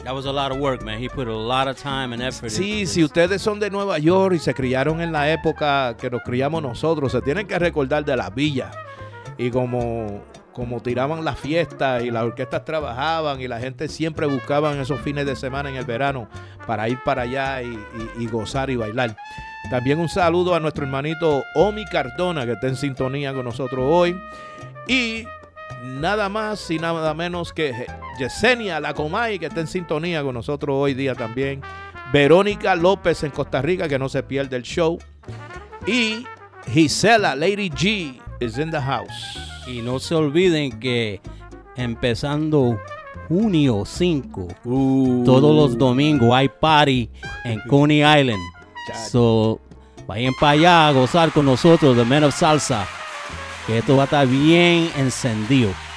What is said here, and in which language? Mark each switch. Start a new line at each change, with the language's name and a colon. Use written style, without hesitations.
English: That was a lot of work, man. He put a lot of time and effort.
Spanish: Sí, si ustedes son de Nueva York y se criaron en la época que nos criamos nosotros, se tienen que recordar de Las Villas. Y como como tiraban las fiestas y las orquestas trabajaban y la gente siempre buscaba esos fines de semana en el verano para ir para allá y gozar y bailar. También un saludo a nuestro hermanito Omi Cardona, que está en sintonía con nosotros hoy. Y nada más y nada menos que Yesenia La Comay, que está en sintonía con nosotros hoy día también. Verónica López en Costa Rica, que no se pierde el show. Y Gisela, Lady G,
English: is in the house.
Spanish: Y no se olviden que empezando junio 5, todos los domingos hay party en Coney Island. So, vayan para allá a gozar con nosotros, The Men of Salsa, que esto va a estar bien encendido.